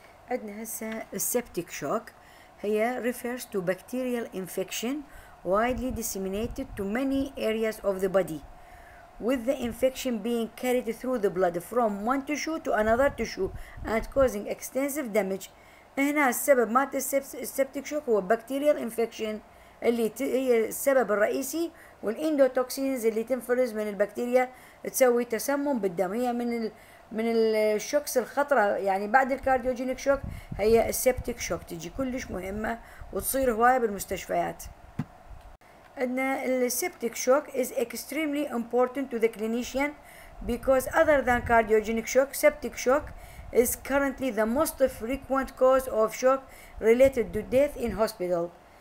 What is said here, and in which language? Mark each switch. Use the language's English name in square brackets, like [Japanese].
[Arabic] عندنا هسه [English] septic shock هي refers to bacterial infection widely disseminated to many areas of the body with the infection being carried through the blood from one tissue to another tissue and causing extensive damage. [Arabic] هنا السبب مات septic shock هو bacterial infection اللي هي السبب الرئيسي والإندوتوكسينز اللي تنفرز من البكتيريا تسوي تسمم بالدم، هي من الشوكس الخطرة يعني بعد الكارديوجينيك شوك هي السيبتيك شوك تجي كلش مهمة وتصير هواية بالمستشفيات. عندنا السيبتيك شوك [English] is extremely important to the clinician because other than cardiogenic shock septic shock is currently the most frequent cause of shock related to death in hospital.